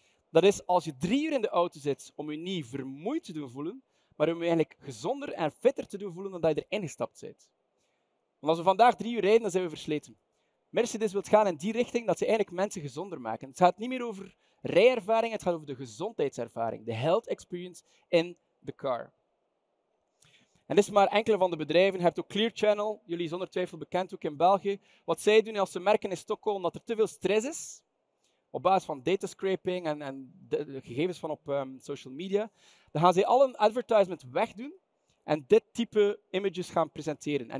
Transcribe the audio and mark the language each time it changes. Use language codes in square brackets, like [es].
[nl] Dat is als je 3 uur in de auto zit om je niet vermoeid te doen voelen, maar om je eigenlijk gezonder en fitter te doen voelen dan dat je erin gestapt bent. Want als we vandaag 3 uur rijden, dan zijn we versleten. Mercedes wil gaan in die richting dat ze eigenlijk mensen gezonder maken. Het gaat niet meer over rijervaring, het gaat over de gezondheidservaring. [en] De health experience in the car. [nl] En dit is maar enkele van de bedrijven. Je hebt ook Clear Channel, jullie zonder twijfel bekend ook in België. Wat zij doen als ze merken in Stockholm dat er te veel stress is, op basis van data scraping en de gegevens van op social media, dan gaan zij al een advertisement wegdoen en dit type images gaan presenteren.